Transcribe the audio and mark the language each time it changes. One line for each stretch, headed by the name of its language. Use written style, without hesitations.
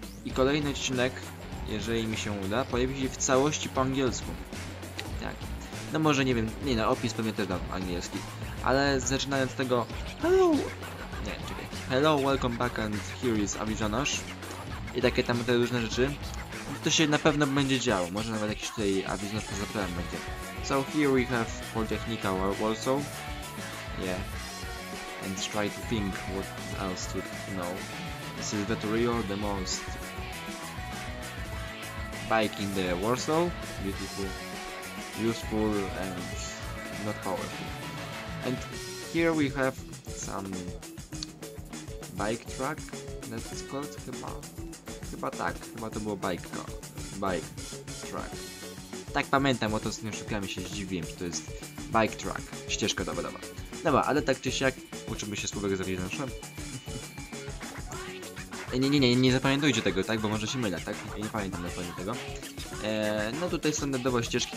Polish: I kolejny odcinek, jeżeli mi się uda, pojawi się w całości po angielsku. Tak. No może nie wiem, nie no, opis pewnie też dam angielski. Ale zaczynając z tego... Hello! Nie, czekaj.
English: Hello, welcome back and here is Avizjonosz.
Polish: I takie tam te różne rzeczy. To się na pewno będzie działo. Może nawet jakiś tutaj Avizjonosz poza prawem będzie.
English: So here we have Polytechnika Warsaw. Yeah. And try to think what else to know. This is the trio, the most... bike in the Warsaw. Beautiful. Useful and not powerful. And here we have some bike track, that is called
Polish: chyba to było
English: bike car. Bike track.
Polish: Tak pamiętam, bo to z tym szukałem i się zdziwiłem, że to jest bike track. Ścieżka dobra, dobra. Dobra, ale tak czy siak, uczymy się słówek zawiedzącza. Nie zapamiętujcie tego, tak? Bo może się mylę, tak? Nie pamiętam dokładnie tego. No tutaj standardowo ścieżki.